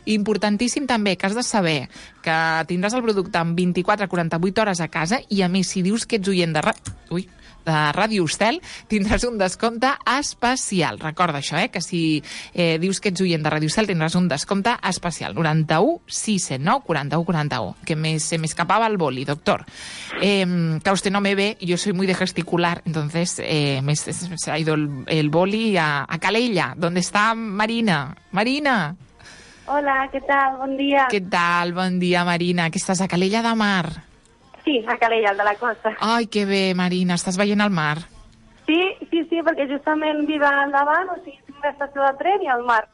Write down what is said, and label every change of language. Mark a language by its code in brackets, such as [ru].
[ca] Importantíssim també que has de saber que tindràs el producte en 24-48 hores a casa i, a més, si dius que ets oient de Ràdio Hostel, tindràs un descompte especial. Recorda això, que si dius que ets oient de Ràdio Hostel, tindràs un descompte especial. [es] 91-679-4141. Que se me escapaba el boli, doctor. Que usted no me ve, yo soy muy de gesticular, entonces se ha ido el boli a Calella, donde está Marina. Marina! Hola, ¿qué tal? [ca] Bon dia. [es] ¿Qué tal? [ca] Bon dia, Marina. Que estàs a Calella de Mar. Sí, a Calella, el de la costa. Ai, que bé, Marina. Estàs veient el mar? Sí, perquè justament viva endavant, o sigui, tinc l'estació de tren i el mar.